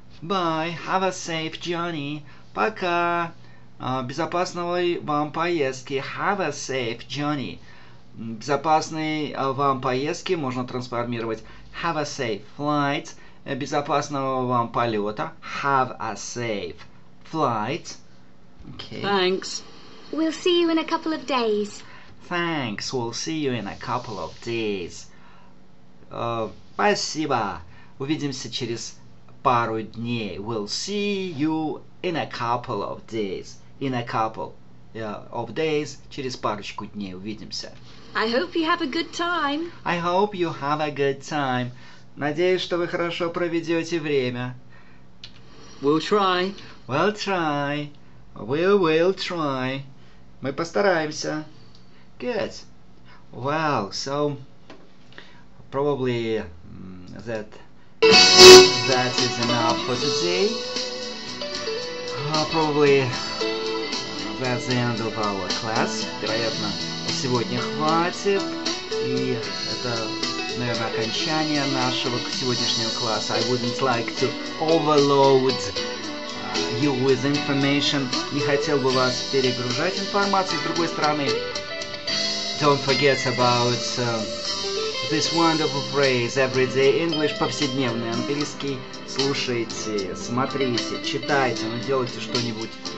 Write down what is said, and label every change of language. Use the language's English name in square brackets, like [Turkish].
[English] Bye. Have a safe journey. [Russian] Пока. Безопасного вам поездки. [English] Have a safe journey. [Russian] Безопасной вам поездки можно трансформировать. [English] Have a safe flight. [Russian] Безопасного вам полета. [English] Have a safe flight. Okay. Thanks. We'll see you in a couple of days. Thanks. We'll see you in a couple of days. [Russian] Спасибо. Увидимся через пару дней. [English] We'll see you in a couple of days. In a couple of days. [Russian] Через парочку дней увидимся. [English] I hope you have a good time. I hope you have a good time. [Russian] Надеюсь, что вы хорошо проведете время. [English] We'll try. We'll try. We'll try. [Russian] Мы постараемся. [English] Good. Well, so probably that is enough for today. Probably that's the end of our class. [Russian] Вероятно, сегодня хватит. И это... это, наверное, окончание нашего сегодняшнего класса. [English] I wouldn't like to overload you with information. [Russian] Не хотел бы вас перегружать информацией. С другой стороны, [English] don't forget about this wonderful phrase, everyday English, [Russian] повседневный английский. Слушайте, смотрите, читайте, ну, делайте что-нибудь.